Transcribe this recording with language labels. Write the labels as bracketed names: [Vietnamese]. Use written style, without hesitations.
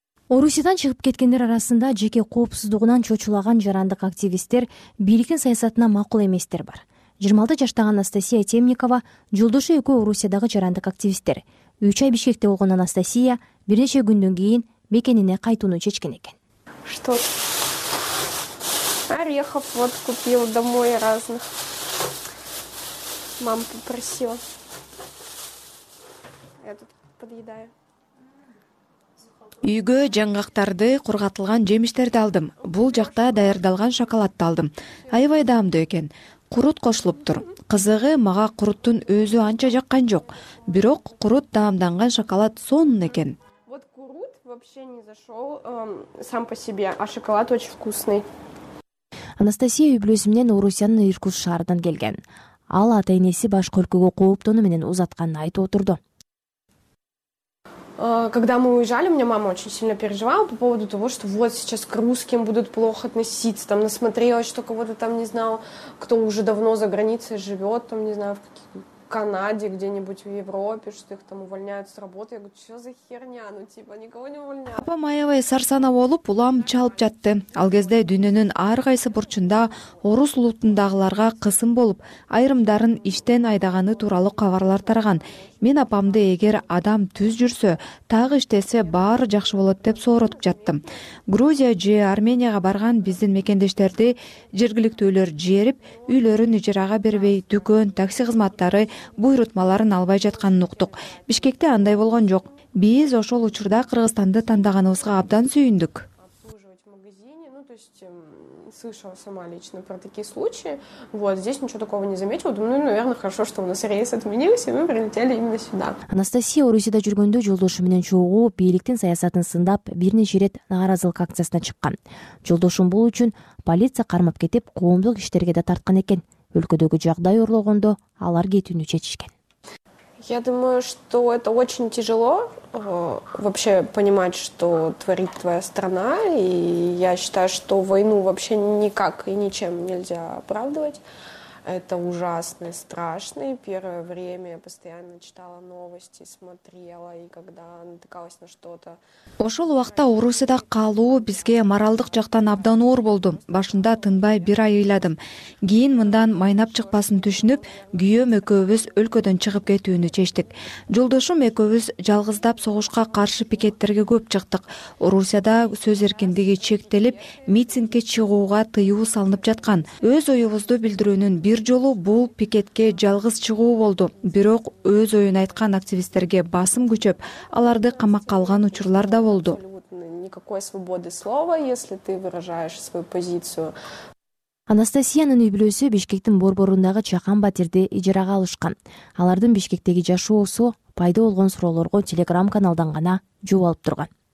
[Kyrgyz] Орусиядан чыгып кеткендер арасында жеке коопсуздугунан чочулаган жарандык активисттер, бийликтин саясатына макул эместер бар. 26 жаштагы Анастасия Темникова, жолдошу экөө Орусиядагы жарандык активисттер. 3 ай Бишкекте болгон Анастасия бир нече күндөн кийин мекенине кайтууну чечкен экен. [Russian] Что? Орехов вот купил домой разных. Мама попросила. Я тут подъедаю. [Kyrgyz] Үйгө жаңгактарды, кургатылган жемиштерди алдым. Бул жакта даярдалган шоколадты алдым. Аябай даамдуу экен. Курут кошулуп тур. Кызыгы, мага куруттун өзү анча жаккан жок. Бирок курут даамданган шоколад сонун экен. [Russian] Вот курут вообще не зашел сам по себе, а шоколад очень вкусный. [Kyrgyz] Анастасия үйлөсү менен Орусиянын Иркутск шаарынан келген. Ал ата-энеси башка өлкөгө кооптонуу менен узатканын айтып отурду. [Russian] Когда мы уезжали, у меня мама очень сильно переживала по поводу того, что вот сейчас к русским будут плохо относиться, там насмотрелась, что кого-то там не знала, кто уже давно за границей живет, там не знаю, в Канаде, где-нибудь в Европе, что их там увольняют с работы. Я говорю, что за херня, ну типа никого не увольняют. [Kyrgyz] Апа маевай сарсана болуп, улам чалып жатты. Ал кезде дүйнөнүн ар кайсы бурчунда орус улутундагыларга кысым болуп, айрымдарын иштен айдаганы тууралуу кабарлар тараган. Мен апамды эгер адам түз жүрсө, тагы иштесе баары жакшы болот деп сооротуп жаттым. Грузия же Арменияга барган биздин мекендештерди жергиликтүүлөр жиберип, үйлөрүн ижарага бербей, дүкөн, такси кызматтары буйрутмаларын албай жатканын уктук. Бишкекте андай болгон жок. Биз ошол учурда Кыргызстанды тандаганыбызга абдан сүйүндүк. [Russian] Слышала сама лично про такие случаи. Вот здесь ничего такого не заметила. Думаю, ну, наверное, хорошо, что у нас рейс отменился, и мы прилетели именно сюда. [Kyrgyz] Анастасия Орусияда жүргөндө жолдошу менен чогуу бийликтин саясатын сындап, бир нече ирет нааразылык акциясына чыккан. Жолдошун бул үчүн полиция кармап кетип, коомдук иштерге да тарткан экен. Өлкөдөгү жагдай орлогондо алар кетүүнү чечишкен. [Russian] Я думаю, что это очень тяжело вообще понимать, что творит твоя страна. И я считаю, что войну вообще никак и ничем нельзя оправдывать. Это ужасно и страшно. И первое время я постоянно читала новости, смотрела, и когда натыкалась на что-то. [Kyrgyz] Ошол убакта Орусияда калуу бизге моралдык жактан абдан оор болду. Башында тынбай бир ай ыйладым. Кийин мындан майнап чыкпасын түшүнүп, күйөөм экөөбүз өлкөдөн чыгып кетүүнү чечтик. Жолдошум экөөбүз жалгыздап согушка каршы пикеттерге көп чыктык. Орусияда сөз эркиндиги чектелип, митингге чыгууга тыюу салынып жаткан. Өз оюбузду билдирүүнүн бир жолу бул пикетке жалгыз чыгуу болду. Бирок өз оюн айткан активисттерге басым күчөп, аларды камакка алган учурлар да болду. [Russian] Никакой свободы слова, если ты выражаешь свою позицию. [Kyrgyz] Анастасиянын үйлөсү Бишкектин борборундагы Чакан Батирде ижарага алышкан. Алардын Бишкектеги жашоосу пайда болгон суроолорго Telegram каналдан гана жооп алып турган.